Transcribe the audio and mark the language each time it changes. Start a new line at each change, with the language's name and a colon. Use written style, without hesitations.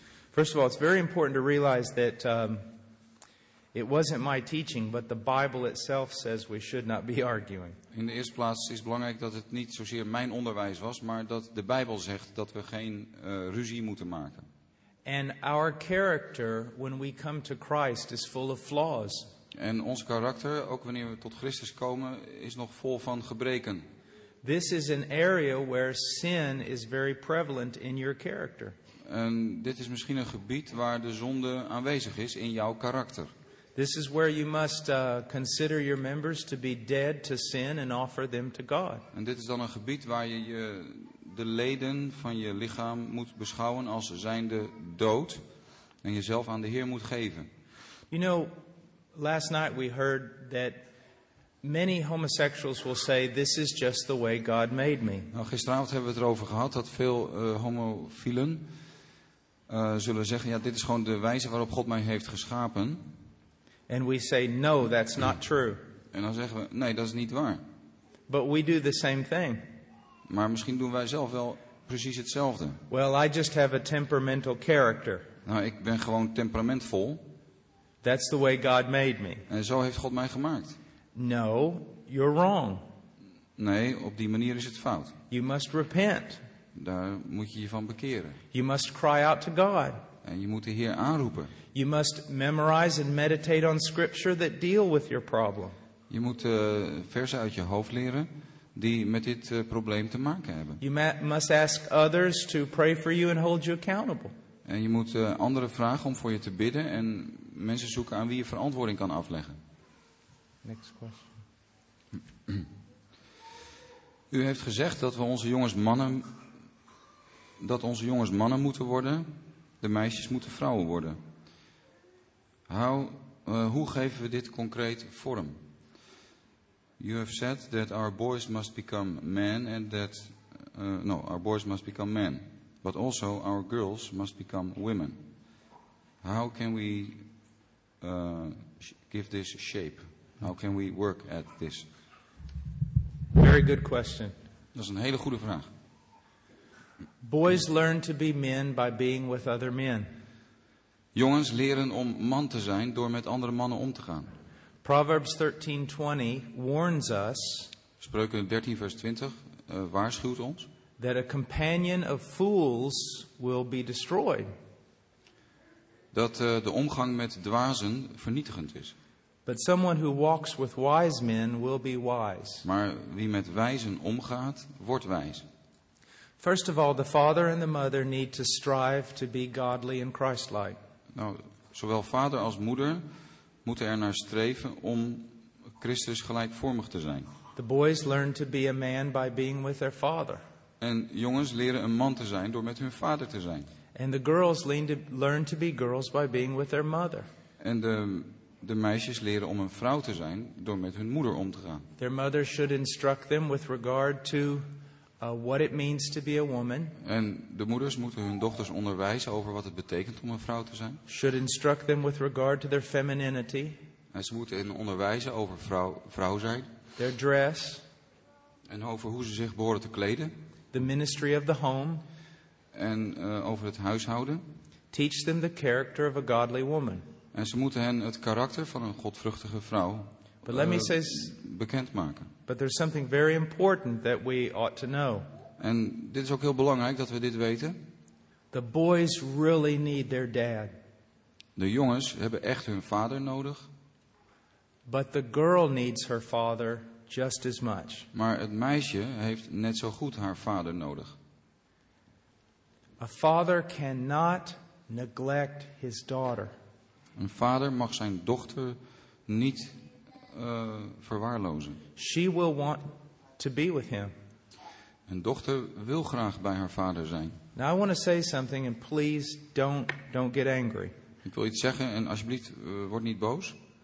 English: First of all, it's very important to realize that It wasn't my teaching, but the Bible itself says we should not be arguing.
Dutch: In de eerste plaats is het belangrijk dat het niet zozeer mijn onderwijs was, maar dat de Bijbel zegt dat we geen ruzie moeten maken.
English: And our character when we come to Christ is full of flaws.
Dutch: En ons karakter, ook wanneer we tot Christus komen, is nog vol van gebreken.
English: This is an area where sin is very prevalent in your character.
Dutch: En dit is misschien een gebied waar de zonde aanwezig is in jouw karakter.
English: This is where you must consider your members to be dead to sin and offer them to God.
Dutch: En dit is dan een gebied waar je je de leden van je lichaam moet beschouwen als zijnde dood en jezelf aan de Heer moet geven.
English: You know, last night we heard that many homosexuals will say this is just the way God made me.
Dutch: Nou, gisteravond hebben we het erover gehad dat veel homofielen zullen zeggen ja, dit is gewoon de wijze waarop God mij heeft geschapen.
English: And we say no, that's not true.
Dutch: En dan zeggen we nee, dat is niet waar.
English: But we do the same thing.
Dutch: Maar misschien doen wij zelf wel precies hetzelfde.
English: Well, I just have a temperamental character.
Dutch: Nou, ik ben gewoon temperamentvol.
English: That's the way God made me.
Dutch: En zo heeft God mij gemaakt.
English: No, you're wrong.
Dutch: Nee, op die manier is het fout.
English: You must repent.
Dutch: Daar moet je je van bekeren.
English: You must cry out to God.
Dutch: En je moet de Heer aanroepen.
English: You must memorize and meditate on scripture that deal with your problem.
Dutch: Je moet versen uit je hoofd leren die met dit probleem te maken hebben.
English: You must ask others to pray for you and hold you accountable.
Dutch: En je moet anderen vragen om voor je te bidden en mensen zoeken aan wie je verantwoording kan afleggen.
English: Next question.
Dutch: U heeft gezegd dat we onze jongens mannen, dat onze jongens mannen moeten worden, de meisjes moeten vrouwen worden. Hoe geven we dit concreet vorm?
English: You have said that our boys must become men and that our boys must become men, but also our girls must become women. How can we give this shape? How can we work at this? Very good question.
Dutch: Dat is een hele goede vraag.
English: Boys learn to be men by being with other men.
Dutch: Jongens leren om man te zijn door met andere mannen om te gaan.
English: Proverbs 13:20 warns us.
Dutch: Spreuken 13 vers 20 waarschuwt ons.
English: That a companion of fools will be destroyed.
Dutch: Dat de omgang met dwazen vernietigend is.
English: But someone who walks with wise men will be wise.
Dutch: Maar wie met wijzen omgaat, wordt wijs.
English: First of all, the father and the mother need to strive to be godly and Christ-like.
Dutch: Nou, zowel vader als moeder moeten er naar streven om Christus gelijkvormig te zijn.
English: The boys learn to be a man by being with their father.
Dutch: En jongens leren een man te zijn door met hun vader te zijn.
English: And the girls learn to be girls by being with their mother.
Dutch: En de meisjes leren om een vrouw te zijn door met hun moeder om te gaan.
English: Their mother should instruct them with regard to what it means to be a woman.
Dutch: En de moeders moeten hun dochters onderwijzen over wat het betekent om een vrouw te zijn.
English: Should instruct them with regard to their femininity.
Dutch: En ze moeten hen onderwijzen over vrouw zijn.
English: Their dress.
Dutch: En over hoe ze zich behoren te kleden.
English: The ministry of the home.
Dutch: En over het huishouden.
English: Teach them the character of a godly woman.
Dutch: En ze moeten hen het karakter van een godvruchtige vrouw bekendmaken.
English: But there's something very important that we ought to know.
Dutch: En dit is ook heel belangrijk dat we dit weten.
English: The boys really need their dad.
Dutch: De jongens hebben echt hun vader nodig.
English: But the girl needs her father just as much.
Dutch: Maar het meisje heeft net zo goed haar vader nodig.
English: A father cannot neglect his daughter.
Dutch: Een vader mag zijn dochter niet verwaarlozen.
English: She will want to be with him.
Dutch: Een dochter wil graag bij haar vader zijn.
English: Now I want to say something and please don't get angry.
Dutch: Ik wil iets zeggen en alsjeblieft word niet boos.